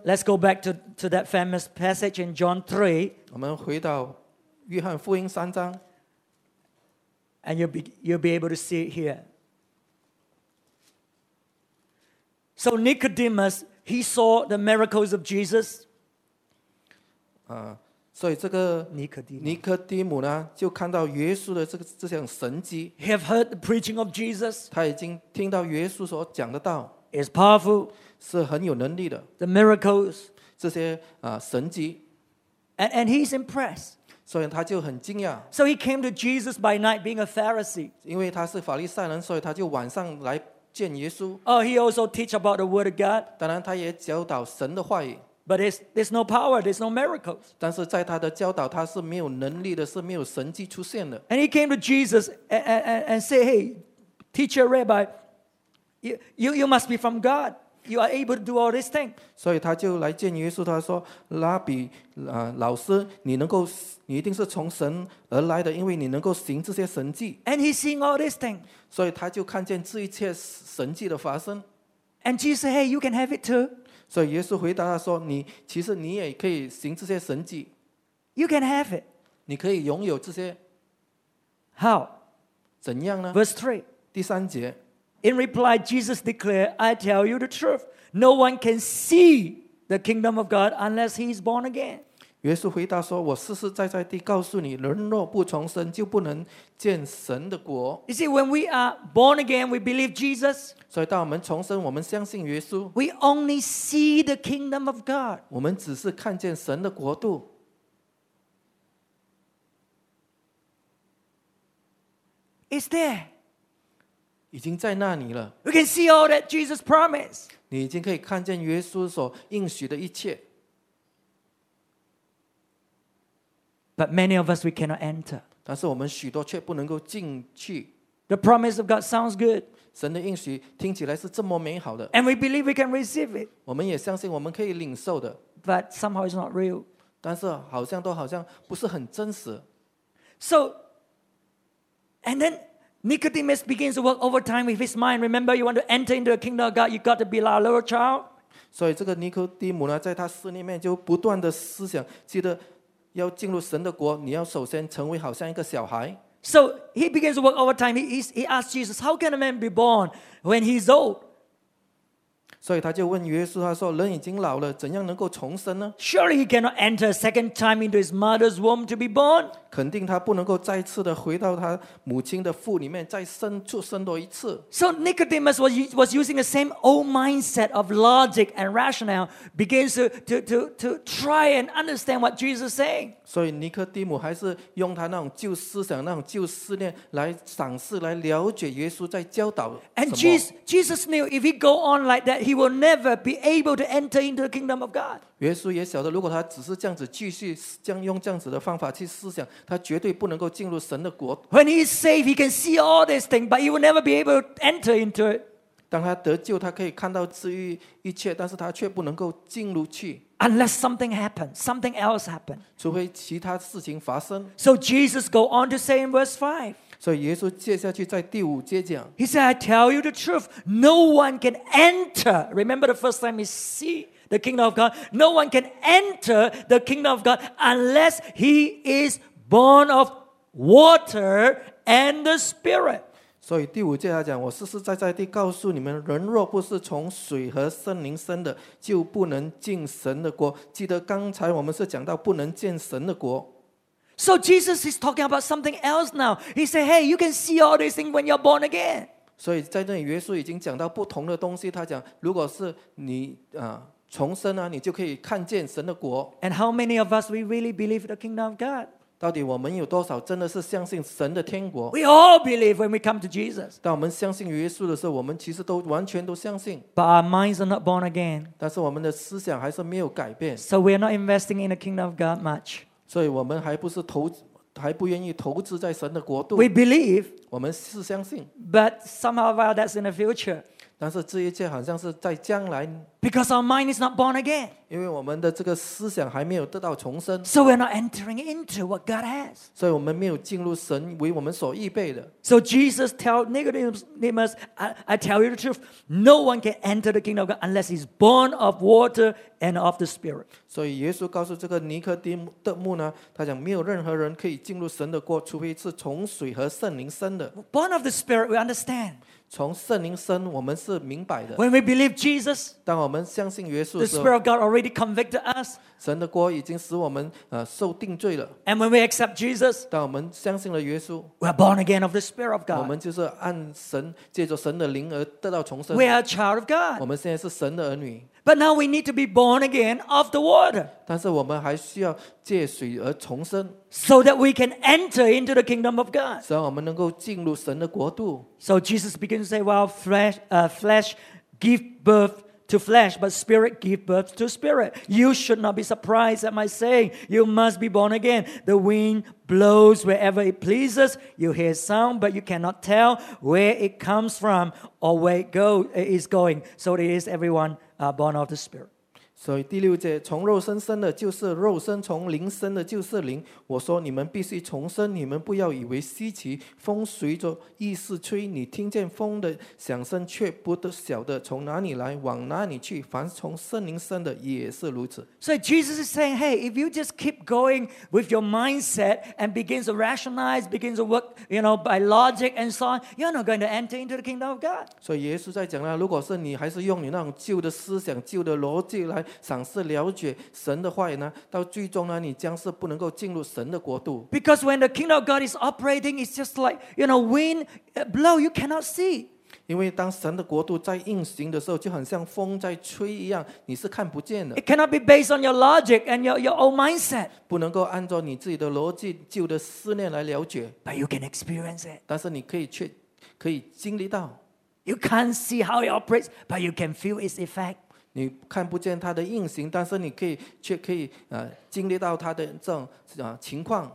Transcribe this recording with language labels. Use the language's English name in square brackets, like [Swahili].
[English] Let's go back to that famous passage in John 3. [Chinese] 我们回到约翰福音三章。 [English] And you'll be able to see it here. So Nicodemus, he saw the miracles of Jesus. [Chinese] 所以这个尼可底母呢，就看到耶稣的这项神迹。 [English] He have heard the preaching of Jesus. [Chinese] 他已经听到耶稣所讲的道。 [English] Is powerful. [Chinese] 是很有能力的。 [English] The miracles. [Chinese] 这些神迹。 [English] And he's impressed. [Chinese] 所以他就很惊讶。 [English] So he came to Jesus by night, being a Pharisee. [Chinese] 因为他是法利赛人，所以他就晚上来见耶稣。 [English] Oh, he also teach about the word of God. [Chinese] 当然，他也教导神的话语。 [English] But there's no power, there's no miracles. [Chinese] 但是在他的教导，他是没有能力的，是没有神迹出现的。 [English] And he came to Jesus and say, "Hey, teacher, rabbi, you must be from God. You are able to do all these things." [Chinese] 所以他就来见耶稣，他说：“拉比，老师，你能够。” 你一定是从神而来的，因为你能够行这些神迹。 [English] And he's seeing all these things. [Chinese] 所以他就看见这一切神迹的发生。 [English] And Jesus said, "Hey, you can have it too." [Chinese] 所以耶稣回答他说：“你其实你也可以行这些神迹。 [English] You can have it. [Chinese] 你可以拥有这些。 [English] How? [Chinese] 怎样呢 [English] ？Verse three. [Chinese] 第三节。 [English] In reply, Jesus declared, "I tell you the truth. No one can see the kingdom of God unless he is born again." [Chinese] 耶稣回答说：“我实实在在地告诉你，人若不重生，就不能见神的国。” [English] You see, when we are born again, we believe Jesus. [Chinese] 所以，当我们重生，我们相信耶稣。 [English] We only see the kingdom of God. [Chinese] 我们只是看见神的国度。 [English] It's there. [Chinese] 已经在那里了。 [English] We can see all that Jesus promised. [Chinese] 你已经可以看见耶稣所应许的一切。 [English] But many of us, we cannot enter. [Chinese] 但是我们许多却不能够进去。 [English] The promise of God sounds good. [Chinese] 神的应许听起来是这么美好的。 [English] And we believe we can receive it. [Chinese] 我们也相信我们可以领受的。 [English] But somehow it's not real. [Chinese] 但是好像不是很真实。 [English] So, and then Nicodemus begins to work overtime with his mind. Remember, you want to enter into the kingdom of God, you've got to be like a little child. [Chinese] 所以这个尼可底母呢，在他思念里面就不断的思想，记得。要进入神的国，你要首先成为好像一个小孩。 [English] So he begins to work overtime. He asks Jesus, "How can a man be born when he's old?" [Chinese] 所以他就问耶稣，他说：“人已经老了，怎样能够重生呢 [English] ？”Surely he cannot enter a second time into his mother's womb to be born. [Chinese] 肯定他不能够再次的回到他母亲的腹里面再出生多一次。 [English] So Nicodemus was using the same old mindset of logic and rationale, begins to try and understand what Jesus is saying. [Chinese] 所以尼可底母还是用他那种旧思想、那种旧思念来尝试来了解耶稣在教导什么。 [English] And Jesus knew if he go on like that. He will never be able to enter into the kingdom of God. [Chinese] 耶稣也晓得，如果他只是这样子继续用这样子的方法去思想，他绝对不能够进入神的国。 [English] When he is saved, he can see all these things, but he will never be able to enter into it. [Chinese] 当他得救，他可以看到这一切，但是他却不能够进入去。 [English] Unless something happens, something else happens. [Chinese] 除非其他事情发生。 [English] So Jesus go on to say in verse 5. [Chinese] 所以耶稣接下去在第五节讲 [English] He said, "I tell you the truth, no one can enter." Remember the first time he see the kingdom of God. No one can enter the kingdom of God unless he is born of water and the Spirit. [Chinese] 所以第五节他讲，我实实在在地告诉你们，人若不是从水和圣灵生的，就不能进神的国。记得刚才我们是讲到不能见神的国。 [English] So Jesus is talking about something else now. He said, "Hey, you can see all these things when you're born again." [Chinese] 所以在这里，耶稣已经讲到不同的东西。他讲，如果是你重生啊，你就可以看见神的国。 [English] And how many of us we really believe the kingdom of God? [Chinese] 到底我们有多少真的是相信神的天国 [English] ？We all believe when we come to Jesus. [Chinese] 当我们相信耶稣的时候，我们其实都完全都相信。 [English] But our minds are not born again. [Chinese] 但是我们的思想还是没有改变。 [English] So we are not investing in the kingdom of God much. [Chinese] 所以我们还不是投还不愿意投资在神的国度。 [English] We believe， [Chinese] 我们是相信。 [English] But somehow that's in the future。 [Chinese] 但是这一切好像是在将来。 [English] Because our mind is not born again。 [Chinese] 因为我们的这个思想还没有得到重生。 [English] So we're not entering into what God has。 [Chinese] 所以我们没有进入神为我们所预备的。 [English] So Jesus tells Nicodemus, I tell you the truth, no one can enter the kingdom of God unless he's born of water and of the Spirit。 [Chinese] 所以耶稣告诉这个尼哥底母呢，他讲没有任何人可以进入神的国，除非是从水和圣灵生的。 [English] Born of the Spirit, we understand。 [Chinese] 从圣灵生，我们是明白的。 [English] When we believe Jesus, [Chinese] 当我们相信耶稣的时候 [English] ，the Spirit of God already convicted us。 [Chinese] 神的国已经使我们受定罪了。 [English] And when we accept Jesus, [Chinese] 当我们相信了耶稣 [English] ，we are born again of the Spirit of God。 [Chinese] 我们就是按神借着神的灵而得到重生。 [English] We are a child of God。 [Chinese] 我们现在是神的儿女。 [English] But now we need to be born again of the water。 [Chinese] 但是我们还需要借水而重生。 [English] So that we can enter into the kingdom of God。 [Chinese] 所以我们能够进入神的国度。 [English] So Jesus begins to say, "Well, flesh give birth to flesh, but spirit give birth to spirit." You should not be surprised at my saying. You must be born again. The wind blows wherever it pleases. You hear sound, but you cannot tell where it comes from or where it is going. So it is everyone. Born of the Spirit. [Chinese] 所以第六节，从肉身生的就是肉身，从灵生的就是灵。我说你们必须重生，你们不要以为稀奇。风随着意思吹，你听见风的响声，却不得晓得从哪里来，往哪里去。凡从圣灵生的也是如此。 [English] So Jesus is saying, hey, if you just keep going with your mindset and begins to rationalize, begins to work, you know, by logic and so on, you're not going to enter into the kingdom of God. [Chinese] 所以耶稣在讲了，如果是你还是用你那种旧的思想、旧的逻辑来赏识了解神的话语呢，到最终呢，你将是不能够进入神的国度。 [English] Because when the kingdom of God is operating, it's just like, you know, wind blow, you cannot see. [Chinese] 因为当神的国度在运行的时候，就很像风在吹一样，你是看不见的。 [English] It cannot be based on your logic and your old mindset. [Chinese] 不能够按照你自己的逻辑、旧的思念来了解。 [English] But you can experience it. [Chinese] 但是你可以经历到。 [English] You can't see how it operates, but you can feel its effect. [Chinese] 你看不见它的运行，但是你可以却可以经历到它的这种情况。